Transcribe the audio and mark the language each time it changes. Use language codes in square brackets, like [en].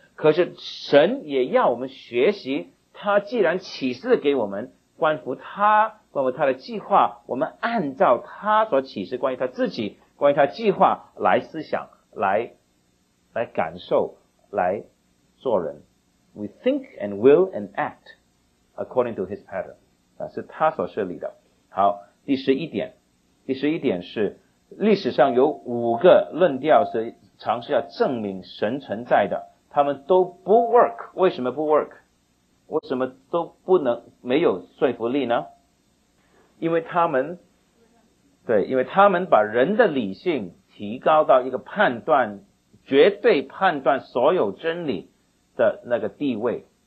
[zh] 可是神也要我们学习他，既然启示给我们关乎他，关乎他的计划，我们按照他所启示关于他自己，关于他计划来思想，来感受，来做人。 [en] We think and will and act according to his pattern， [zh] 是他所设立的。好，第十一点是历史上有五个论调是尝试要证明神存在的，他们都不 work。为什么不 work？为什么都不能没有说服力呢？因为他们把人的理性提高到一个判断，绝对判断所有真理的那个地位。